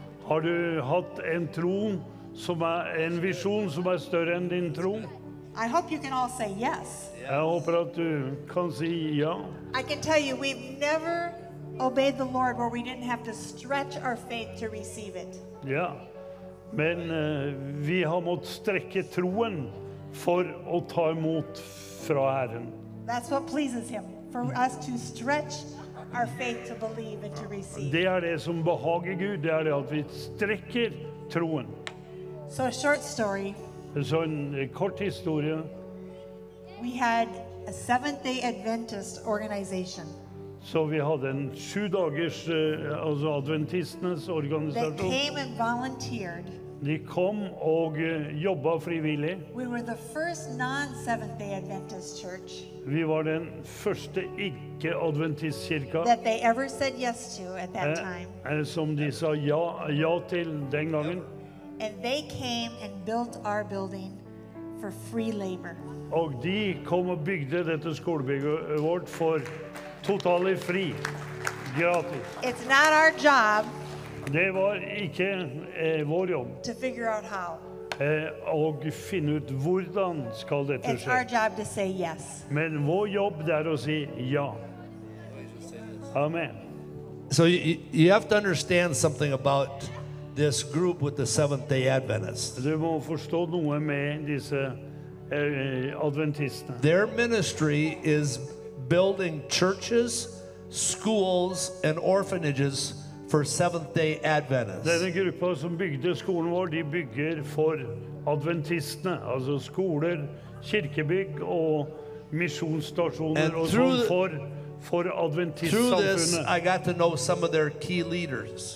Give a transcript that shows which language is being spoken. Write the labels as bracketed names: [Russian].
[Norwegian] Har du hatt en tro som en vision som større enn din tro? [English] I hope you can all say yes. [Norwegian] Jeg håper at du kan si ja. [English] I can tell you, we've never obeyed the Lord where we didn't have to stretch our faith to receive it. [Norwegian] Ja, men vi har måttet strekke troen for å ta imot fra Herren. [English] That's what pleases him, for us to stretch our faith to believe and to receive. [Norwegian] Det det som behager Gud, det det at vi strekker troen. [English] So a short story. [Norwegian] Så en kort historie. [English] We had a Seventh-day Adventist organization. [Norwegian] Så vi hadde en 7 dagers adventistenes organisasjon. [English] They came and volunteered. [Norwegian] De kom og jobbet frivillig. [English] We were the first non-Seventh-day Adventist church. [Norwegian] Vi var den første ikke-adventistkirka. [English] That they ever said yes to at that time. [Norwegian] Som de sa ja til den gangen. [English] And they came and built our building for free labor. [Norwegian] Og de kom og bygde dette skolebygget vårt for totalt fri. Gratis. [English] It's not our job. [Norwegian] Det var ikke vår jobb. [English] To figure out how. [Norwegian] Og finne ut hvordan skal dette skje. [English] It's our job to say yes. [Norwegian] Men vår jobb det å si ja. Amen. [English] So you have to understand something about this group with the Seventh-day Adventists. [Norwegian] Du må forstå noe med disse adventistene. [English] Their ministry is building churches, schools, and orphanages for Seventh-day Adventists. [Norwegian] Denne gruppa som bygde skolen vår, de bygger for adventistene, altså skoler, kirkebygg og misjonsstasjoner og sånt for. [English] Through this, I got to know some of their key leaders.